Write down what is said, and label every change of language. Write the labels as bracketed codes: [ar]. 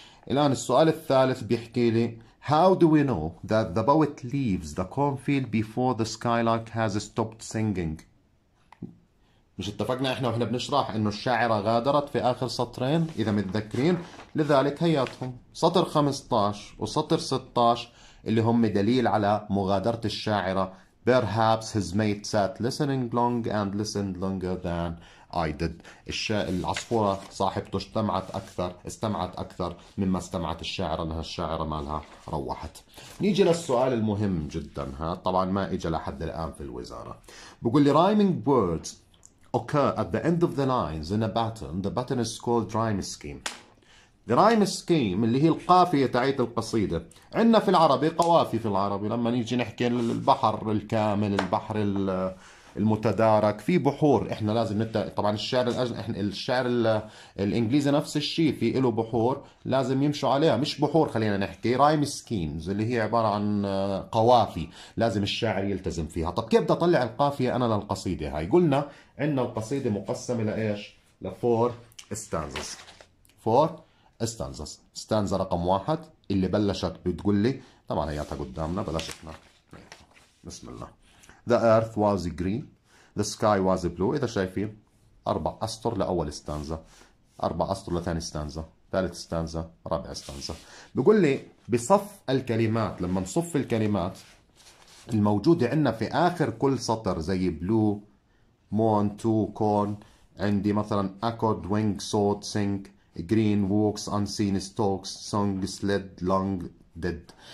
[ar] الآن السؤال الثالث بيحكي لي How do we know that the poet leaves the cornfield before the skylark has stopped singing؟ مش اتفقنا احنا واحنا بنشرح انه الشاعرة غادرت في آخر سطرين إذا متذكرين؟ لذلك هياتهم سطر 15 وسطر 16 اللي هم دليل على مغادرة الشاعرة. [en] Perhaps his mate sat listening long and listened longer than I did. [ar] العصفورة صاحبته استمعت أكثر مما استمعت الشاعرة، لأنها الشاعرة مالها روحت. نيجي للسؤال المهم جدا، ها طبعا ما إجا لحد الآن في الوزارة. [en] بقول لي rhyming words occur at the end of the lines in a pattern. The pattern is called rhyme scheme. [ar] The rhyme scheme اللي هي القافية تعيد القصيدة. عندنا في العربي قوافي في العربي، لما نيجي نحكي البحر الكامل، البحر المتدارك، في بحور احنا لازم طبعا الشعر الاجنبي، احنا الشعر الانجليزي نفس الشيء، في له بحور لازم يمشوا عليها، مش بحور خلينا نحكي رايم سكيمز اللي هي عباره عن قوافي لازم الشاعر يلتزم فيها. طب كيف بدي اطلع القافيه انا للقصيده هاي؟ قلنا عندنا القصيده مقسمه لايش؟ لفور ستانزز. فور ستانزز، ستانزا رقم واحد اللي بلشت بتقول لي، طبعا هياتها قدامنا بلشتنا، بسم الله. [en] The earth was green, the sky was blue. [ar] إذا شايفين أربع أسطر لأول استانزا، أربع أسطر لثاني استانزا، ثالث استانزا، رابع استانزا. بقول لي بصف الكلمات، لما نصف الكلمات الموجودة عندنا في آخر كل سطر زي blue, moon, two, corn، عندي مثلا accord, wing, sword, sing, green, walks, unseen, stalks, song, sled, long, ديد.